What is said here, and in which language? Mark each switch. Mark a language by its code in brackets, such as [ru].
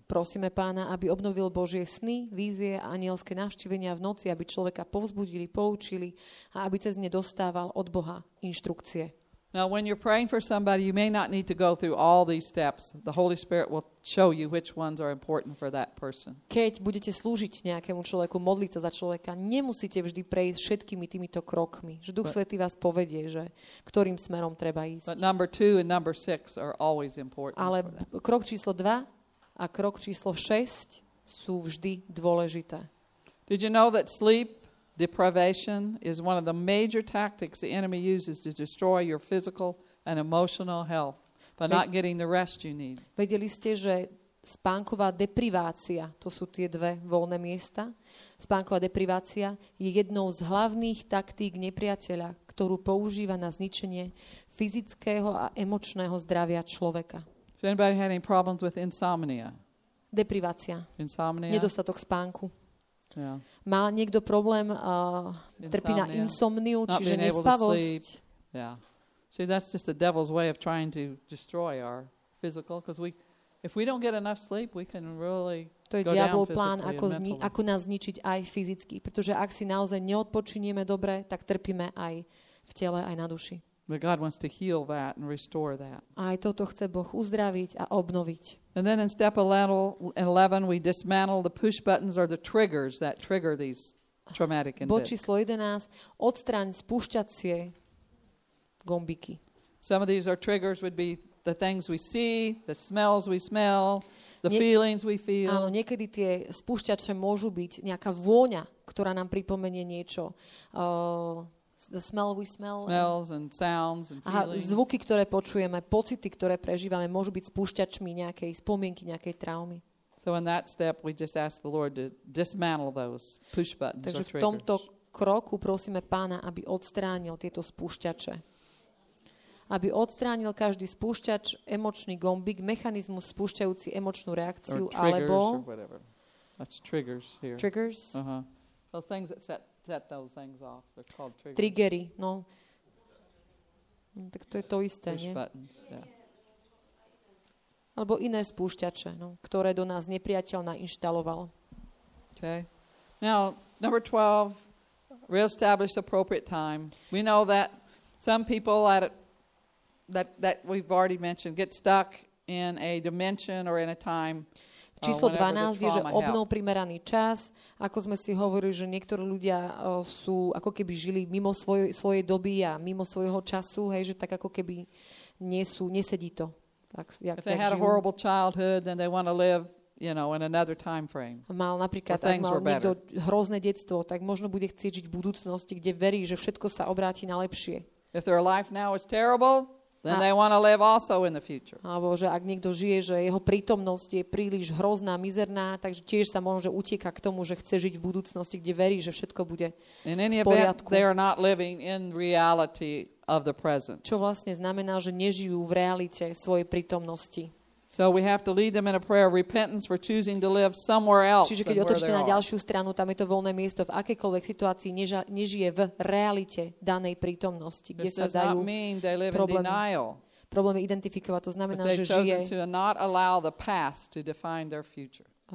[sk] Prosíme Pána, aby obnovil Božie sny, vízie a anielské navštívenia v noci, aby človeka povzbudili, poučili a aby cez ne dostával od Boha inštrukcie. [en] Now when you're praying for somebody, you may not need to go through all these steps. The Holy Spirit will show you which ones are important for that person. [sk] Keď budete slúžiť nejakému človeku, modliť sa za človeka, nemusíte vždy prejsť všetkými týmito krokmi. Že Duch Svätý vás povedie, že ktorým smerom treba ísť. [en] But number 2 and number 6 are always important. [sk] Ale krok číslo 2 a krok číslo 6 sú vždy dôležité. [en] Did you know that sleep deprivation is one of the major tactics the enemy uses to destroy your physical and emotional health by not getting the rest you need. [sk] Vedeli ste, že spánková deprivácia, to sú tie dve voľné miesta, spánková deprivácia je jednou z hlavných taktík nepriateľa, ktorú používa na zničenie fyzického a emočného zdravia človeka. [en] Has anybody had any problems with insomnia? [sk] Deprivácia. [en] Insomnia. [sk] Nedostatok spánku. [en] Yeah. [sk] Má niekto problém, trpí na insomniu, čiže nespavosť. [en] Yeah. See, that's just the devil's way of trying to destroy our physical, because we, if we don't get enough sleep, we can really [sk] to je diablov plán, ako nás zničiť aj fyzicky, pretože ak si naozaj neodpočinieme dobre, tak trpíme aj v tele, aj na duši. [en] But God wants to heal that and restore that. [sk] Aj toto chce Boh uzdraviť a obnoviť. [en] And then in step 11 we dismantle the push buttons or the triggers that trigger these traumatic events. [sk] Bod číslo 11, odstraň spúšťacie gombiky. [en] Some of these are triggers would be the things we see, the smells we smell, the feelings we feel. [sk] Áno, niekedy tie spúšťače môžu byť nejaká vôňa, ktorá nám pripomenie niečo. [en] The smell we smell. Smells and sounds and feelings. [sk] A zvuky, ktoré počujeme, pocity, ktoré prežívame, môžu byť spúšťačmi nejakej spomienky, nejakej traumy. [en] So in that step we just ask the Lord to dismantle those push buttons. [sk] Takže v tomto kroku prosíme Pána, aby odstránil tieto spúšťače. Aby odstránil každý spúšťač, emočný gombik, mechanizmus spúšťajúci emočnú reakciu, alebo [en] triggers here. Triggers. Uh-huh. The things that set those things off. They're called triggers. [sk] Triggery, no. Tak to je to isté, [en] push [sk] nie? [en] Buttons, yeah. [sk] Alebo iné spúšťače, no, ktoré do nás nepriateľ nainštaloval. [en] Okay. Now, number 12, reestablish appropriate time. We know that some people that we've already mentioned get stuck in a dimension or in a time. [sk] Číslo 12 je, že obnov primeraný čas. Ako sme si hovorili, že niektorí ľudia sú ako keby žili mimo svojej doby a mimo svojho času, hej, že tak ako keby nie sú, nesedí to. [en] If they had a horrible childhood, then they want to live, you know, in another time frame. [sk] Mal napríklad, ak mal niekto hrozné detstvo, tak možno bude chcieť žiť v budúcnosti, kde verí, že všetko sa obráti na lepšie. [en] If their life now is terrible, then they want to live also in the future. [sk] Alebo že ak niekto žije, že jeho prítomnosť je príliš hrozná, mizerná, takže tiež sa možno, že utieka k tomu, že chce žiť v budúcnosti, kde verí, že všetko bude v poriadku. [en] They are not living in reality of the present. [sk] Čo vlastne znamená, že nežijú v realite svojej prítomnosti. [en] So we have to lead them in a prayer of repentance for choosing to live somewhere else. [sk] Čiže keď otočíte na ďalšiu stranu, tam je to voľné miesto, v akejkoľvek situácii nežije v realite danej prítomnosti, kde [en] this [sk] sa dajú problémy. Problémy identifikovať, to znamená, že žije [en] to not allow the past to define their future.